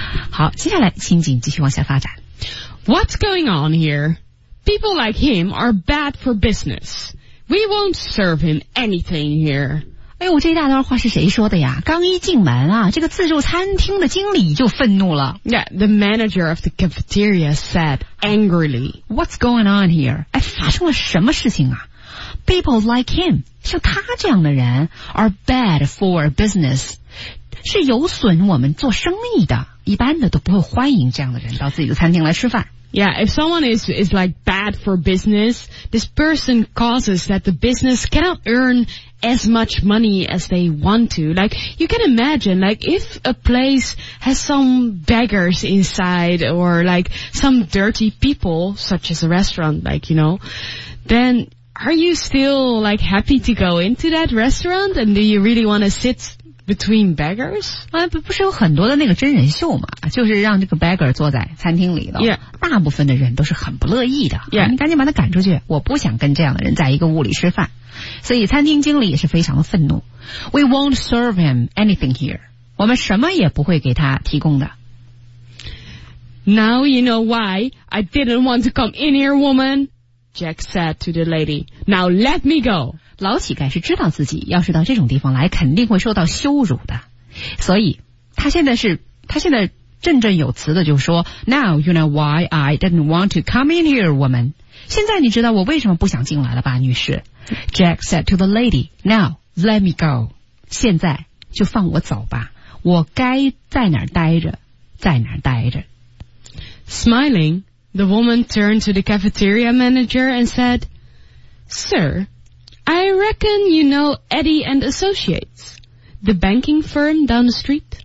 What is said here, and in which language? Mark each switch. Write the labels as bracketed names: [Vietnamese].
[Chinese] 好，接下来情景继续往下发展。 [English] What's going on here? People like him are bad for business. We won't serve him anything here. [Chinese] 哎呦，这一大段话是谁说的呀？刚一进门啊，这个自助餐厅的经理就愤怒了。 [English] Yeah, the manager of the cafeteria said angrily, What's going on here? [Chinese] 哎，发生了什么事情啊？ [English] People like him, [Chinese] 像他这样的人 [English] are bad for business, [Chinese] 是有损我们做生意的，一般的都不会欢迎这样的人到自己的餐厅来吃饭。 [English] Yeah, if someone is like bad bad for business. This person causes that the business cannot earn as much money as they want to. Like, you can imagine, like, if a place has some beggars inside or, like, some dirty people, such as a restaurant, like, you know, then are you still, like, happy to go into that restaurant? And do you really want to sit between beggars? [Chinese] 不是有很多的那个真人秀嘛，就是让这个 beggar 坐在餐厅里的。 [English] Yeah. [Chinese] 大部分的人都是很不乐意的。 [English] Yeah. [Chinese] 你赶紧把他赶出去，我不想跟这样的人在一个屋里吃饭。所以餐厅经理也是非常的愤怒。 [English] We won't serve him anything here. [Chinese] 我们什么也不会给他提供的。 [English] Now you know why I didn't want to come in here, woman. Jack said to the lady. Now let me go. [Chinese] 老乞丐是知道自己要是到这种地方来肯定会受到羞辱的。所以他现在振振有词的就说 [English] Now you know why I didn't want to come in here, woman. [Chinese] 现在你知道我为什么不想进来了吧，女士。 [English] Jack said to the lady, Now, let me go. [Chinese] 现在就放我走吧。我该在哪儿待着，在哪儿待着。 [English] Smiling, the woman turned to the cafeteria manager and said, Sir, I reckon you know Eddie and Associates, the banking firm down the street.